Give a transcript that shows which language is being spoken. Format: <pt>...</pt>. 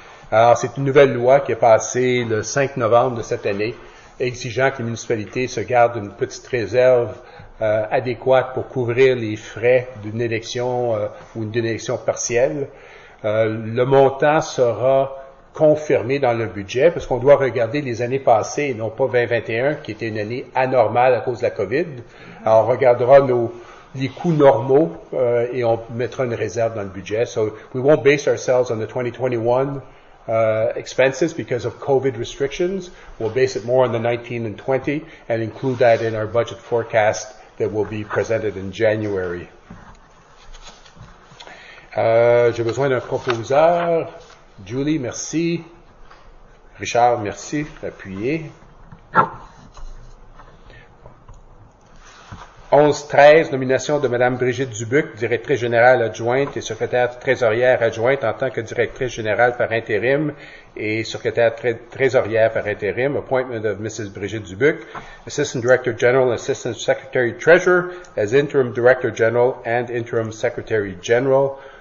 <fr>Alors, c'est une nouvelle loi qui est passée le 5 novembre de cette année, exigeant que les municipalités se gardent une petite réserve adéquate pour couvrir les frais d'une élection ou d'une élection partielle. Le montant sera confirmé dans le budget parce qu'on doit regarder les années passées et non pas 2021 qui était une année anormale à cause de la COVID. Alors, on regardera les coûts normaux et on mettra une réserve dans le budget.</fr> <en>So, we won't base ourselves on the 2021 expenses because of COVID restrictions. We'll base it more on the 19 and 20 and include that in our budget forecast that will be presented in January.</en> <fr>J'ai besoin d'un proposeur. Julie, merci. Richard, merci. Appuyez. 11-13, nomination de Mme Brigitte Dubuc, directrice générale adjointe et secrétaire trésorière adjointe en tant que directrice générale par intérim et secrétaire trésorière par intérim.</fr> <en>Appointment of Mrs. Brigitte Dubuc, Assistant Director General and Assistant Secretary Treasurer as Interim Director General and Interim Secretary General.</en>